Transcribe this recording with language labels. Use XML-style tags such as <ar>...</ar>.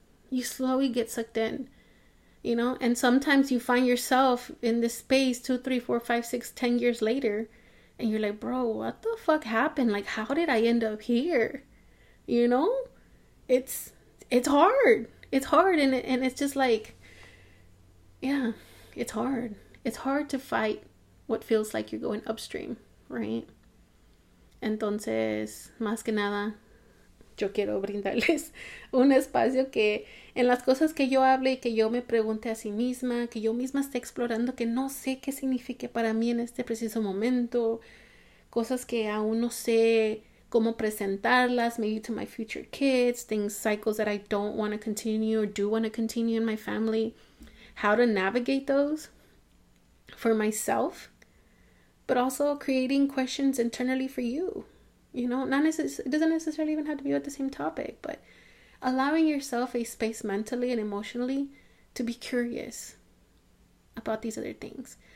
<en>You slowly get sucked in, And sometimes you find yourself in this space 2, 3, 4, 5, 6, 10 years later, and you're like, bro, what the fuck happened? Like, how did I end up here? It's hard. It's hard, and it's just like, yeah, it's hard. It's hard to fight what feels like you're going upstream, right?</en> <es>Entonces, más que nada, yo quiero brindarles un espacio que en las cosas que yo hable y que yo me pregunte a sí misma, que yo misma esté explorando, que no sé qué signifique para mí en este preciso momento, cosas que aún no sé cómo presentarlas,</es> <en>maybe to my future kids, things, cycles that I don't want to continue or do want to continue in my family, how to navigate those for myself, but also creating questions internally for you. You know, it doesn't necessarily even have to be about the same topic, but allowing yourself a space mentally and emotionally to be curious about these other things.</en>